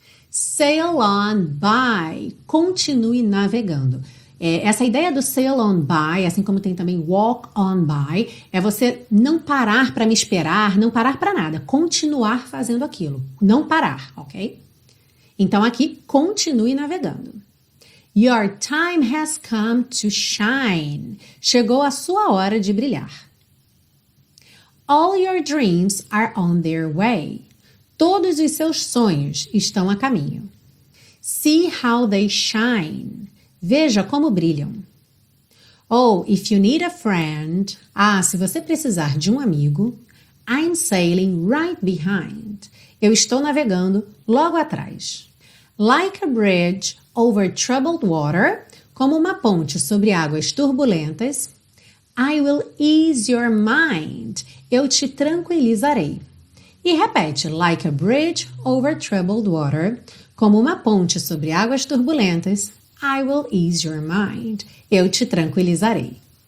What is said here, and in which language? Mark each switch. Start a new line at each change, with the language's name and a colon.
English: Sail on by,
Portuguese: continue navegando. É, essa ideia do
English: sail on by,
Portuguese: assim como tem também
English: walk on by,
Portuguese: é você não parar para me esperar, não parar para nada, continuar fazendo aquilo, não parar, ok? Então aqui, continue navegando.
English: Your time has come to shine.
Portuguese: Chegou a sua hora de brilhar.
English: All your dreams are on their way.
Portuguese: Todos os seus sonhos estão a caminho.
English: See how they shine.
Portuguese: Veja como brilham.
English: Oh, if you need a friend.
Portuguese: Ah, se você precisar de um amigo.
English: I'm sailing right behind.
Portuguese: Eu estou navegando logo atrás.
English: Like a bridge over troubled water,
Portuguese: como uma ponte sobre águas turbulentas,
English: I will ease your mind,
Portuguese: eu te tranquilizarei. E repete,
English: like a bridge over troubled water,
Portuguese: como uma ponte sobre águas turbulentas,
English: I will ease your mind,
Portuguese: eu te tranquilizarei.